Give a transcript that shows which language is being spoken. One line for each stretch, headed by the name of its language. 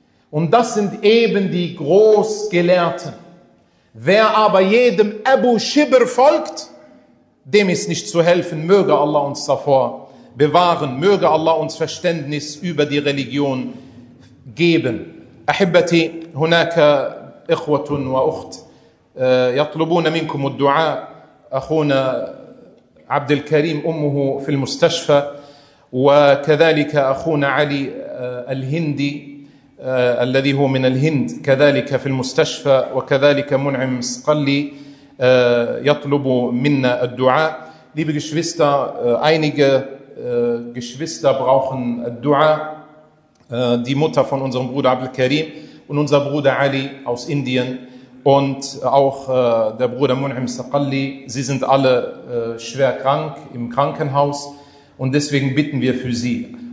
German: Und das sind eben die Großgelehrten. Wer aber jedem Abu Shibr folgt, dem ist nicht zu helfen. Möge Allah uns davor bewahren. Möge Allah uns Verständnis über die Religion geben.
Arabic: أحبتي هناك إخوة وأخت يطلبون منكم الدعاء. أخونا عبد الكريم أمه في المستشفى، وكذلك أخونا علي الهندي الذي هو من الهند كذلك في المستشفى، وكذلك منعم سقلي يطلب منا الدعاء.
German: Liebe Geschwister, einige Geschwister brauchen الدعاء. Die Mutter von unserem Bruder Abdul Karim und unser Bruder Ali aus Indien und auch der Bruder Munim Saqalli, sie sind alle schwer krank im Krankenhaus und deswegen bitten wir für sie.